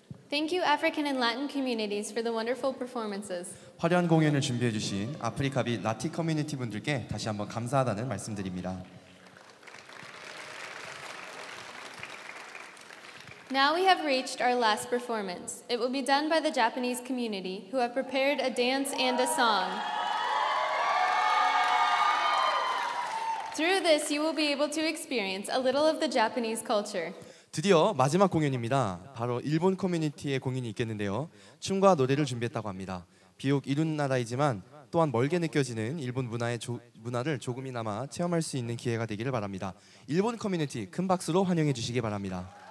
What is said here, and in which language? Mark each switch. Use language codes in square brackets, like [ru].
[en] Thank you, African and Latin communities, for the wonderful performances. [ko] 화려한 공연을 준비해 주신 아프리카 및 라틴 커뮤니티 분들께 다시 한번 감사하다는 말씀드립니다. [en] Now we have reached our last performance. It will be done by the Japanese community, who have prepared a dance and a song. Through this, you will be able to experience a little of the Japanese culture. [ko] 드디어 마지막 공연입니다. 바로 일본 커뮤니티의 공연이 있겠는데요. 춤과 노래를 준비했다고 합니다. 비옥 이웃 나라이지만 또한 멀게 느껴지는 일본 문화의 문화를 조금이나마 체험할 수 있는 기회가 되기를 바랍니다. 일본 커뮤니티 큰 박수로 환영해 주시기 바랍니다.